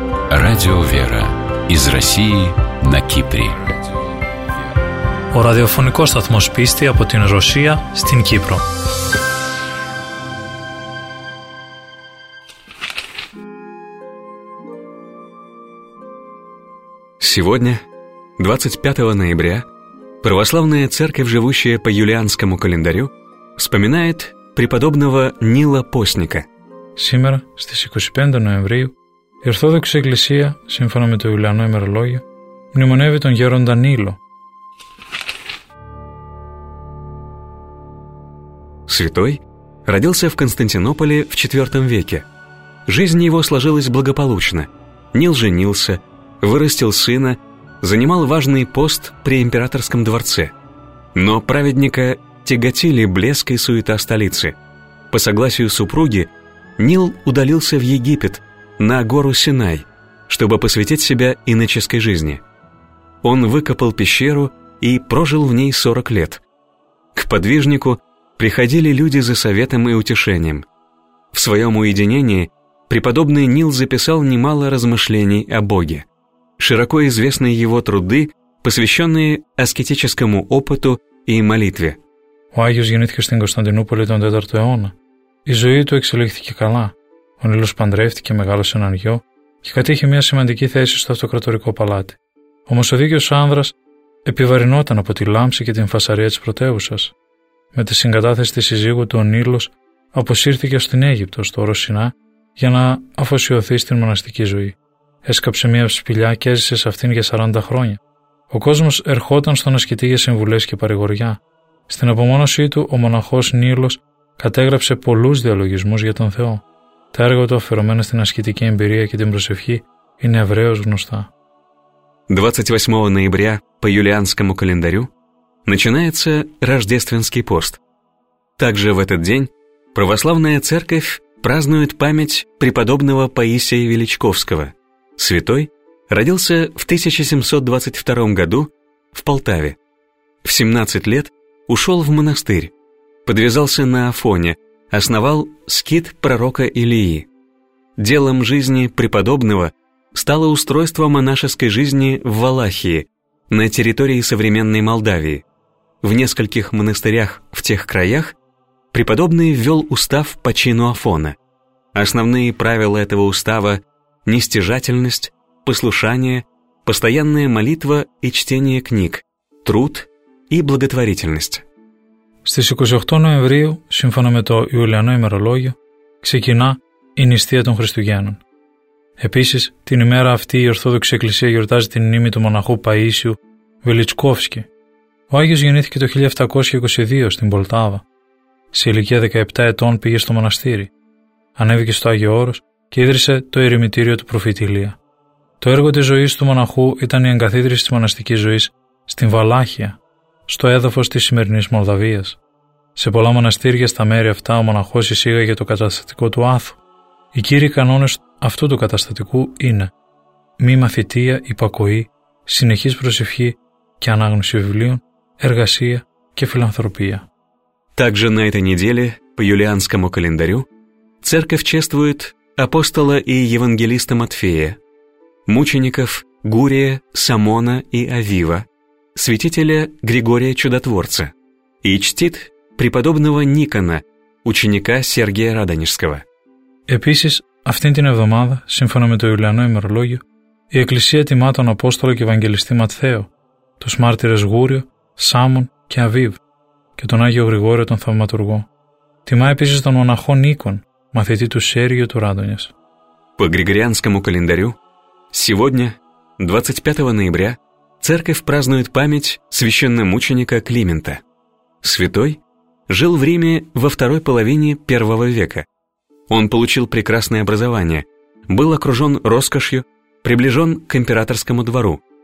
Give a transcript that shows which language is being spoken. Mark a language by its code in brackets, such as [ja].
[ru] Радио «Вера» из России на Кипре. [el] Ο ραδιοφωνικός σταθμός πίστη από την Ρωσία στην Κύπρο. [ru] Сегодня, 25 ноября, православная церковь, живущая по юлианскому календарю, вспоминает преподобного Нила Постника. Сегодня, [el] στις 25 [ru] ноября, [el] η Ορθόδοξη Εκκλησία, σύμφωνα με το Ιουλιανό ημερολόγιο, μνημονεύει τον Γέροντα Νίλο. [ru] Святой родился в Константинополе в 4 веке. Жизнь его сложилась благополучно. Нил женился, вырастил сына, занимал важный пост при императорском дворце. Но праведника тяготили блеск и суета столицы. По согласию супруги, Нил удалился в Египет, на гору Синай, чтобы посвятить себя иноческой жизни. Он выкопал пещеру и прожил в ней 40 лет. К подвижнику приходили люди за советом и утешением. В своем уединении преподобный Нил записал немало размышлений о Боге. Широко известны его труды, посвященные аскетическому опыту и молитве. [el] Ο Άγιος γεννήθηκε στην Κωνσταντινούπολη τον 4ο αιώνα. Η ζωή του εξελίχθηκε καλά. Ο Νίλος παντρεύτηκε, μεγάλωσε έναν γιο και κατήχε μια σημαντική θέση στο αυτοκρατορικό παλάτι. Όμως ο δίκαιος άνδρας επιβαρυνόταν από τη λάμψη και την φασαρία της πρωτεύουσας. Με τη συγκατάθεση της συζύγου του, ο Νίλος αποσύρθηκε στην Αίγυπτο, στο όρος Σινά, για να αφοσιωθεί στην μοναστική ζωή. Έσκαψε μια σπηλιά και έζησε σε αυτήν για 40 χρόνια. Ο κόσμος ερχόταν στον ασκητή για συμβουλές και παρηγοριά. Στην απομόνωσή του, ο μοναχός Νίλος κατέγραψε πολλούς διαλογισμούς για τον Θεό. Τα έργα του αφιερωμένα στην ασκητική εμπειρία και την προσευχή είναι ευρέως γνωστά. [ru] 28 ноября по юлианскому календарю начинается Рождественский пост. Также в этот день православная церковь празднует память преподобного Паисия Величковского. Святой родился в 1722 году в Полтаве. В 17 лет ушел в монастырь, подвязался на Афоне, основал скит пророка Илии. Делом жизни преподобного стало устройство монашеской жизни в Валахии, на территории современной Молдавии. В нескольких монастырях в тех краях преподобный ввел устав по чину Афона. Основные правила этого устава – нестяжательность, послушание, постоянная молитва и чтение книг, труд и благотворительность. [el] Στις 28 Νοεμβρίου, σύμφωνα με το Ιουλιανό ημερολόγιο, ξεκινά η νηστεία των Χριστουγέννων. Επίσης, την ημέρα αυτή η Ορθόδοξη Εκκλησία γιορτάζει την μνήμη του μοναχού Παΐσιου Βελιτσκόφσκη. Ο Άγιος γεννήθηκε το 1722 στην Πολτάβα. Σε ηλικία 17 ετών πήγε στο μοναστήρι. Ανέβηκε στο Άγιο Όρος και ίδρυσε το ερημητήριο του προφήτη Ηλία. Το έργο της ζωής του μοναχού ήταν η εγκαθίδρυση της μοναστικής ζωής στην Βαλάχια, στο έδαφος της σημερινής Μολδαβίας. Σε πολλά μοναστήρια στα μέρη αυτά ο μοναχός εισήγαγε το καταστατικό του άθου. Οι κύριοι κανόνες αυτού του καταστατικού είναι μη μαθητεία, υπακοή, συνεχής προσευχή και ανάγνωση βιβλίων, εργασία και φιλανθρωπία. [ru] Также на этой неделе по юлианскому календарю церковь чествует апостола и евангелиста Матфея, мучеников Гурия, Самона и Авива, святителя Григория Чудотворца, и чтит преподобного Никона, ученика Сергия Радонежского. [el] Επίσης, αυτήν την εβδομάδα, σύμφωνα με το Ιουλιανό ημερολόγιο, η Εκκλησία τιμά τον Απόστολο και Ευαγγελιστή Ματθαίο, τους μάρτυρες Γούριο, Σάμον και Αβίβ και τον Άγιο Γρηγόριο τον Θαυματουργό. Τιμά επίσης τον μοναχό Νίκον, μαθητή του Σέργιο του Ράδονιας. [ru] По Григорианскому календарю, сегодня, 25 ноября, Церковь празднует память священномученика Климента. Святой жил в Риме во второй половине первого века. Он получил прекрасное образование, был окружен роскошью, приближен к императорскому двору.